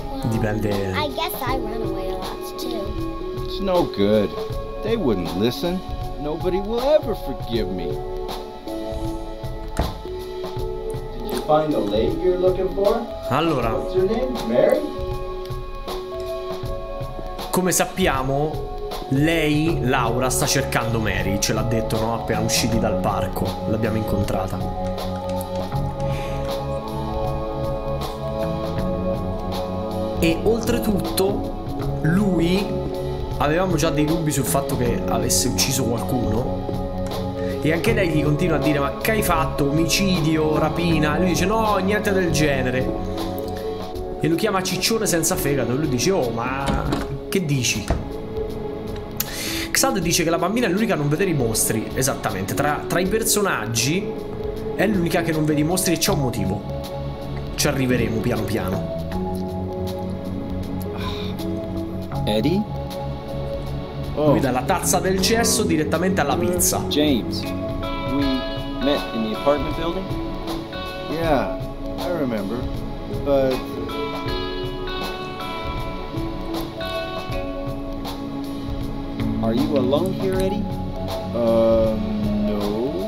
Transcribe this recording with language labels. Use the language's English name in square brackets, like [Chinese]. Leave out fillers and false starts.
[Italian] Dipende. [English] I guess I run away a lot too. It's no good. They wouldn't listen. Nobody will ever forgive me. Did you find the lady you're looking for? [Italian] Allora. [English] What's her name? Mary? [Italian] Come sappiamo, lei, Laura, sta cercando Mary. Ce l'ha detto, no? Appena usciti dal parco. L'abbiamo incontrata. E oltretutto, lui, avevamo già dei dubbi sul fatto che avesse ucciso qualcuno, e anche lei gli continua a dire, ma che hai fatto? Omicidio? Rapina? E lui dice, no, niente del genere. E lo chiama ciccione senza fegato, e lui dice, oh, ma che dici? Xald dice che la bambina è l'unica a non vedere i mostri. Esattamente, tra i personaggi è l'unica che non vede i mostri, e c'è un motivo. Ci arriveremo piano piano. Eddie? Oh. Lui dalla tazza del cesso direttamente alla pizza. [English] James, we met in the apartment building? Yeah, I remember. But... Are you alone here, Eddie? No.